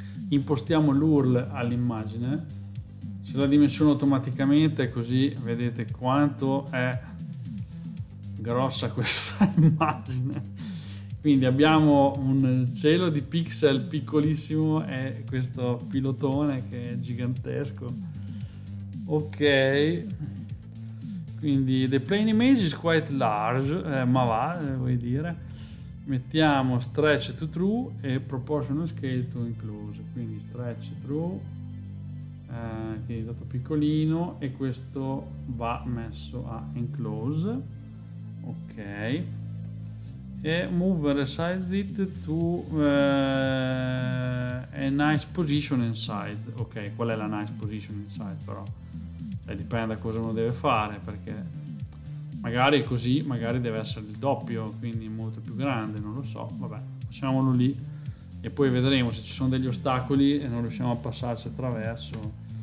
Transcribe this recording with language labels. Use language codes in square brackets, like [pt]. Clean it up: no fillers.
[it] Impostiamo l'URL all'immagine, se la dimensiono automaticamente così vedete quanto è grossa questa immagine. Quindi abbiamo un cielo di pixel piccolissimo e questo pilotone che è gigantesco. Ok, quindi [en] the plane image is quite large, [it] ma va, vuoi dire. Mettiamo stretch to true e proportional scale to include, quindi stretch true, che è stato piccolino, e questo va messo a enclose. [en] Ok, e move resize it to a nice position and size. [it] Ok, qual è la [en] nice position and size? [it] Però dipende da cosa uno deve fare, perché magari è così, magari deve essere il doppio, quindi molto più grande, non lo so. Vabbè, facciamolo lì e poi vedremo se ci sono degli ostacoli e non riusciamo a passarci attraverso.